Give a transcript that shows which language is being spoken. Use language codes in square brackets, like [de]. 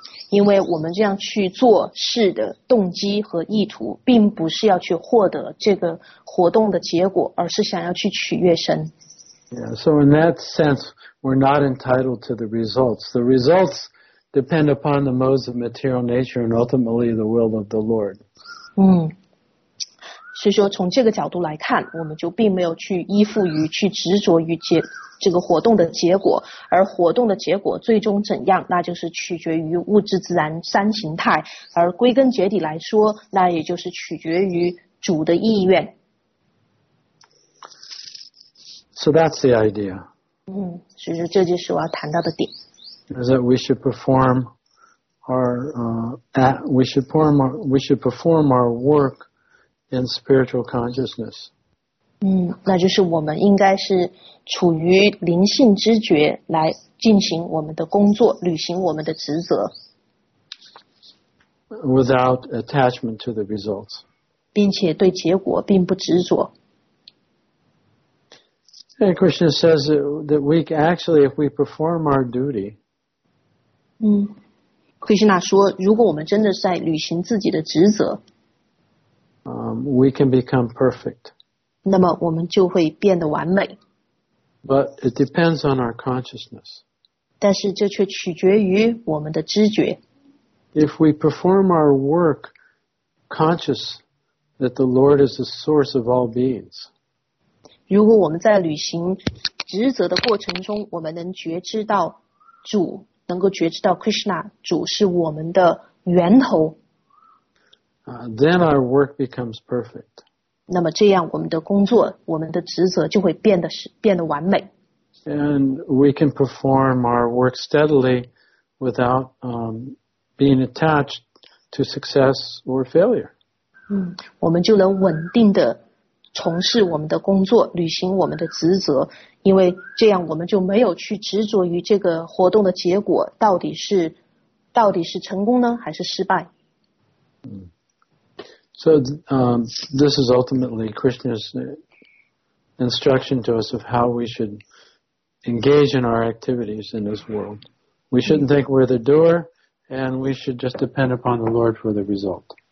[zh] 因为我们这样去做事的动机和意图，并不是要去获得这个活动的结果，而是想要去取悦神。 [en] Yeah, so in that sense, we're not entitled to the results. The results depend upon the modes of material nature and ultimately the will of the Lord. [zh] 所以说从这个角度来看，我们就并没有去依附于、去执着于这个活动的结果，而活动的结果最终怎样，那就是取决于物质自然三形态，而归根结底来说，那也就是取决于主的意愿。 [en] So that's the idea. [zh] 所以这就是我要谈到的点。 [en] Is that we should perform our work in spiritual consciousness. [zh] 那就是我们应该是处于灵性知觉来进行我们的工作，履行我们的职责。 [en] Without attachment to the results. [zh] 并且对结果并不执着。 [en] And Krishna says that we actually, if we perform our duty, [zh] Krishna 说，如果我们真的是在履行自己的职责， [en] we can become perfect. [zh] 那么我们就会变得完美。 [en] But it depends on our consciousness. [zh] 但是这却取决于我们的知觉。 [en] If we perform our work conscious that the Lord is the source of all beings. [zh] 如果我们在履行职责的过程中，我们能觉知到主，能够觉知到 Krishna， 主是我们的源头。 [en] Then our work becomes perfect. [zh] 那么这样，我们的工作，我们的职责就会变得完美。 [en] And we can perform our work steadily without being attached to success or failure. [zh] 我们就能稳定的。从事我们的工作，履行我们的职责，因为这样我们就没有去执着于这个活动的结果到底是成功呢，还是失败。 [en] So, this is ultimately Krishna's instruction to us of how we should engage in our activities in this world. We shouldn't think we're the doer, and we should just depend upon the Lord for the result.